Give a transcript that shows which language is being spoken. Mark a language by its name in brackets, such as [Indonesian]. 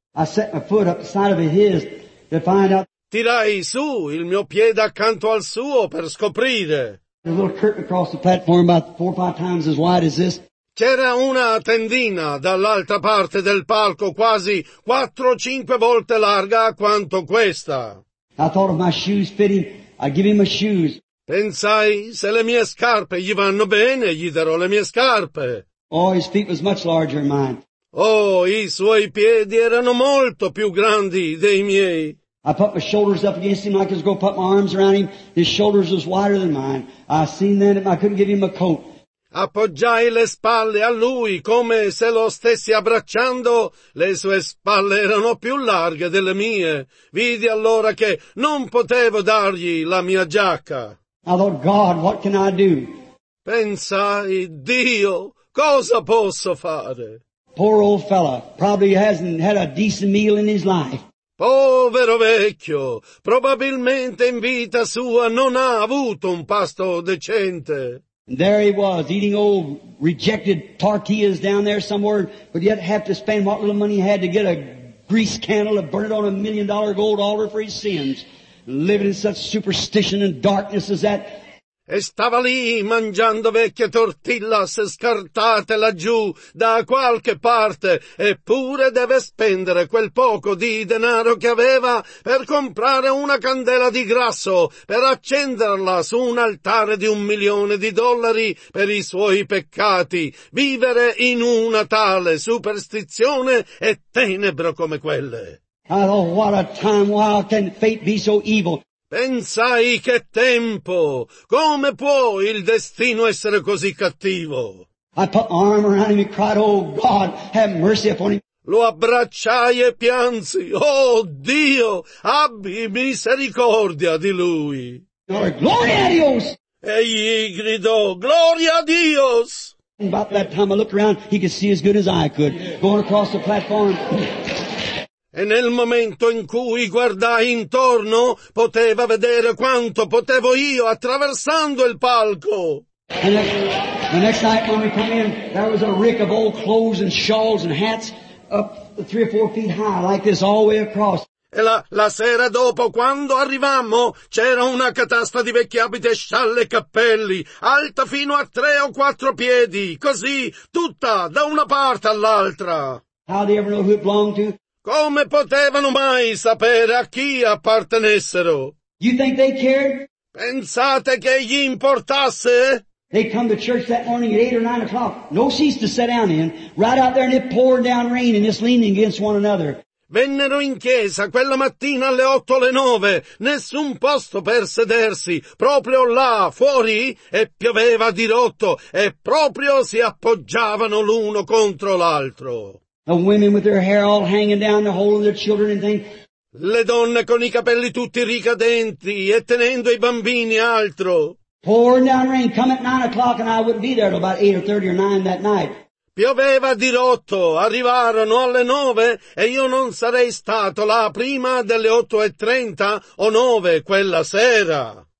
[English] I set my foot up the side of his to find out. [Italian] Tirai su il mio piede accanto al suo per scoprire. [English] There's a little curtain across the platform about four or five times as wide as this. [Italian] C'era una tendina dall'altra parte del palco quasi 4-5 volte larga quanto questa. [English] I thought of my shoes fitting. I give him my shoes. [Italian] Pensai, se le mie scarpe gli vanno bene, gli darò le mie scarpe. [English] Oh, his feet was much larger than mine. [Italian] Oh, i suoi piedi erano molto più grandi dei miei. [English] I put my shoulders up against him like I was going to put my arms around him. His shoulders was wider than mine. I seen that and I couldn't give him a coat. [Italian] Appoggiai le spalle a lui come se lo stessi abbracciando. Le sue spalle erano più larghe delle mie. Vidi allora che non potevo dargli la mia giacca. [English] I thought, God, what can I do? [Italian] Pensai, Dio, cosa posso fare? [English] Poor old fella, probably hasn't had a decent meal in his life. [Italian] Povero vecchio, probabilmente in vita sua non ha avuto un pasto decente. [English] And there he was, eating old rejected tortillas down there somewhere, but yet have to spend what little money he had to get a grease candle to burn it on $1 million gold altar for his sins, living in such superstition and darkness as that. [Italian] E stava lì mangiando vecchie tortillas scartate laggiù da qualche parte, eppure deve spendere quel poco di denaro che aveva per comprare una candela di grasso, per accenderla su un altare di $1,000,000 per i suoi peccati, vivere in una tale superstizione e tenebro come quelle. [English] Oh, what a time, why can fate be so evil? [Italian] Pensai, che tempo! Come può il destino essere così cattivo? [English] I put my arm around him and cried, oh God, have mercy upon him. [Italian] Lo abbracciai e piansi, oh Dio, abbi misericordia di lui. [Spanish] Gloria a Dios! [Italian] Egli gridò, [Spanish] gloria a Dios! [English] About that time I looked around, he could see as good as I could, going across the platform. [Italian] E nel momento in cui guardai intorno, poteva vedere quanto potevo io attraversando il palco. [English] The next night when we come in, there was a rick of old clothes and shawls and hats up 3 or 4 feet high like this all the way across. [Italian] E la sera dopo, quando arrivammo, c'era una catasta di vecchi abiti e scialle e cappelli, alta fino a 3 o 4 piedi, così, tutta, da una parte all'altra. [English] How do you ever know who it belonged to? [Italian] Come potevano mai sapere a chi appartenessero? [English] You think they cared? [Italian] Pensate che gli importasse? [English] They come to church that morning at 8 or 9 o'clock. No seats to sit down in. Right out there and it poured down rain and just leaning against one another. [Italian] Vennero in chiesa quella mattina alle 8 o 9. Nessun posto per sedersi. Proprio là, fuori, e pioveva a dirotto. E proprio si appoggiavano l'uno contro l'altro. [English] The women with their hair all hanging down, they're holding their children and things. [Italian] Le donne con i capelli tutti ricadenti e tenendo i bambini altro. [English] Pouring down rain, come at 9 o'clock and I wouldn't be there till about 8:30 or 9 that night. [Italian] Pioveva dirotto, arrivarono alle 9 e io non sarei stato là prima delle 8:30 or 9 quella sera.